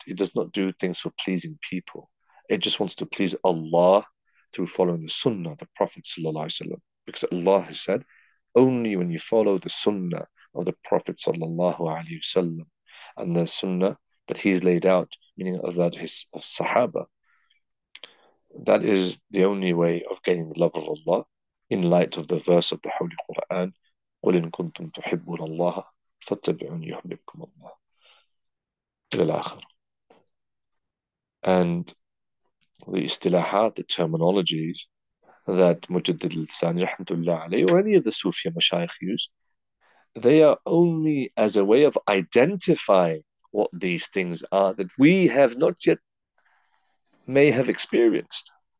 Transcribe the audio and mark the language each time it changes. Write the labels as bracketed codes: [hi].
[en] It does not do things for pleasing people. It just wants to please Allah through following the sunnah, the Prophet sallallahu alaihi wasallam. Because Allah has said, only when you follow the sunnah of the Prophet sallallahu alaihi wasallam and the sunnah that he's laid out, meaning of that his of sahaba, that is the only way of gaining the love of Allah. In light of the verse of the Holy Quran, [ar] قُلْ إِن كُنْتُمْ تُحِبُّونَ اللَّهَ فَاتَّبِعُونِ يُحْبِبْكُمُ اللَّهَ إِلَى الْآخِرَ. [en] And the istilahat, the terminologies that Mujaddid al-Thani, rahmatullah alayhi, or any of the Sufi mashayikh use, they are only as a way of identifying what these things are that we have not yet may have experienced.